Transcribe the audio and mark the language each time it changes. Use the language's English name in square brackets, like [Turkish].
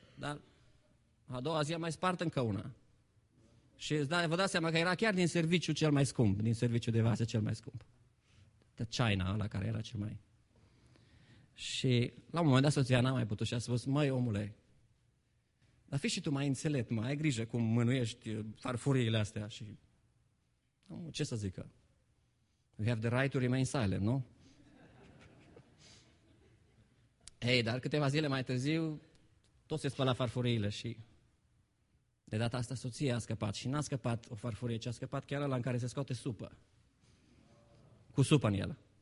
[Romanian] Dar a doua zi a mai spart încă una. Și vă dați seama că era chiar din serviciu cel mai scump, din serviciu de vase cel mai scump. [English] The China, [Romanian] la care era cel mai... Și la un moment dat soția n-a mai putut și a spus, măi omule, dar fii și tu mai înțelept, mai ai grijă cum mânuiești farfuriile astea și... Ce să zică? [English] We have the right to remain silent, [Romanian] nu? Ei, dar câteva zile mai târziu, tot se spăla farfuriile și de data asta soția a scăpat. Și n-a scăpat o farfurie, ci a scăpat chiar ăla în care se scoate supă. Cu supă în el.